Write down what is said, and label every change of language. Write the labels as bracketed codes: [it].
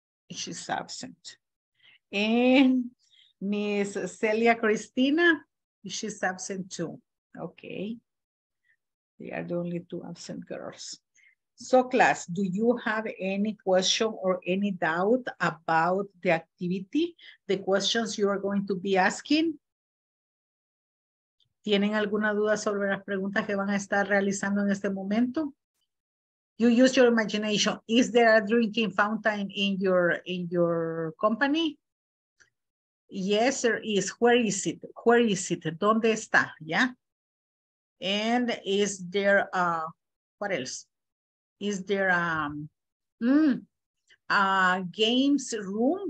[en] She's absent. And Miss Celia Cristina. She's absent too. Okay. They are the only two absent girls. So class, do you have any question or any doubt about the activity? The questions you are going to be asking? [es] ¿Tienen alguna duda sobre las preguntas que van a estar realizando en este momento? [en] You use your imagination. Is there a drinking fountain in your company? Yes, there is. Where is it? Where is it? [es] ¿Dónde está? [en] Yeah. And is there what else? Is there a games room?